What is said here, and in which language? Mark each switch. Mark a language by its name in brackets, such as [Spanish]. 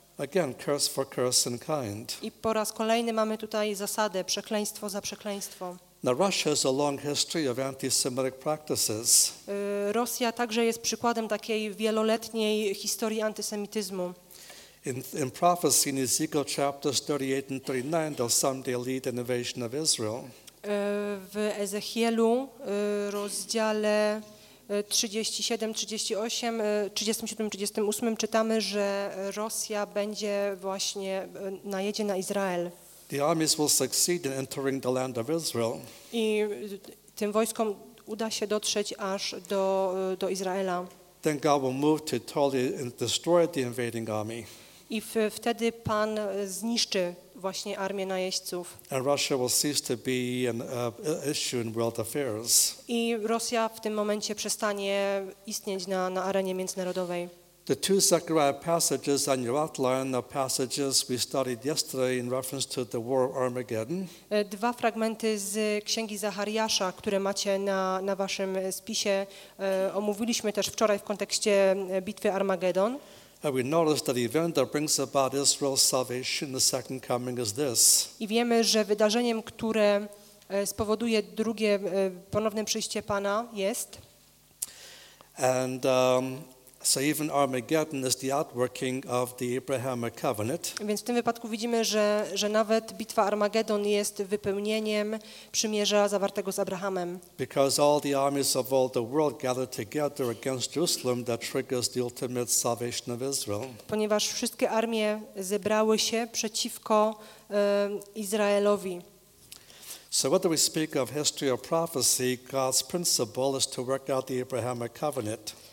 [English] Again, curse for curse and kind. [Polish] I po raz kolejny mamy tutaj zasadę, przekleństwo za przekleństwo. [English] Now Russia has a long history of anti-Semitic practices. [Polish] Rosja także jest przykładem takiej wieloletniej historii antysemityzmu. [English] In prophecy in Ezekiel chapters 38 and 39, they'll someday lead an invasion of Israel. [Polish] W Ezechielu, rozdziale 37-38 czytamy, że Rosja będzie właśnie najedzie na Izrael. [English] The armies will succeed in entering the land of Israel. [Polish] I tym wojskom uda się dotrzeć aż do Izraela. [English] Then God will move to totally destroy the invading army. [Polish] I wtedy Pan zniszczy właśnie armię najeźdźców. [English] And Russia will cease to be an issue in world affairs. [Polish] I Rosja w tym momencie przestanie istnieć na arenie międzynarodowej. [English] The two Zechariah passages on your outline are passages we studied yesterday in reference to the war of Armageddon. [Polish] Dwa fragmenty z Księgi Zachariasza, które macie na waszym spisie, omówiliśmy też wczoraj w kontekście bitwy Armagedon. [English] We notice that the event that brings about Israel's salvation, the second coming, is this. [Polish] I wiemy, że wydarzeniem, które spowoduje drugie ponowne przyjście Pana, jest. [English] And so even Armageddon is the outworking of the Abrahamic covenant. [Polish] Więc w tym wypadku widzimy, że nawet bitwa Armagedon jest wypełnieniem przymierza zawartego z Abrahamem. [English] Because all the armies of all the world gather together against Jerusalem, that triggers the ultimate salvation of Israel. [Polish] Ponieważ wszystkie armie zebrały się przeciwko Izraelowi. [English] So whether we speak of history or prophecy, God's principle is to work out the Abrahamic covenant.